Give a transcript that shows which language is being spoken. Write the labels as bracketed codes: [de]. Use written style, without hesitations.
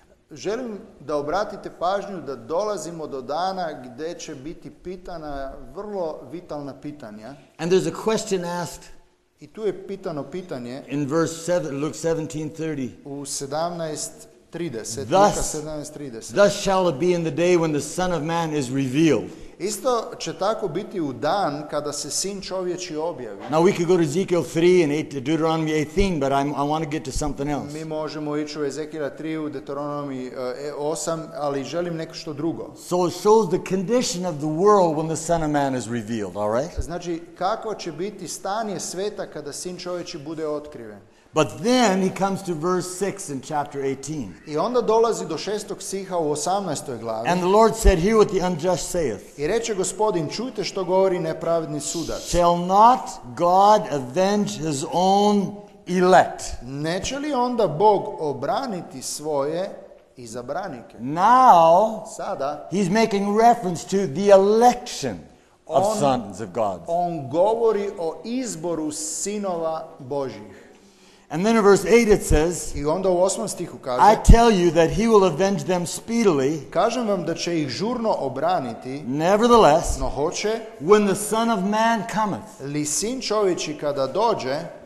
[hr] Želim da obratite pažnju da dolazimo do dana gdje će biti pitana vrlo vitalna pitanja. [en] And there's a question asked. [hr] I tu je pitano pitanje. [en] In verse 7, Luke 17:30. [hr] U 17:30. [en] Thus, [hr] Luka 17:30. [en] Thus shall it be in the day when the Son of Man is revealed. [hr] Isto će tako biti u dan kada se Sin čovječji objavi. [en] Now we could go to Ezekiel 3 and 8, Deuteronomy 18, but I want to get to something else. [hr] Mi možemo ići u Ezekiel 3 u Deuteronomy 8, ali želim nešto drugo. [en] So it shows the condition of the world when the Son of Man is revealed, all right? [hr] Znači kako će biti stanje sveta kada Sin čovječji bude otkriven. [en] But then he comes to verse 6 in chapter 18. [hr] I onda dolazi do šestog stiha u 18. glavi. [en] And the Lord said, hear what the unjust saith. [hr] I reče Gospodin, čujte što govori nepravedni sudac. [en] Shall not God avenge his own elect? [hr] Neće li onda Bog obraniti svoje izabranike? [en] Now, [hr] sada, [en] he's making reference to the election of sons of God. [hr] On govori o izboru sinova Božjih. [en] And then in verse 8 it says, [hr] I onda u 8. stihu kaže, [en] I tell you that he will avenge them speedily. [hr] Kažem vam da će ih žurno obraniti. [en] Nevertheless, [hr] no hoće, [en] when the Son of Man cometh. [hr] Li Sin čovječji kada dođe.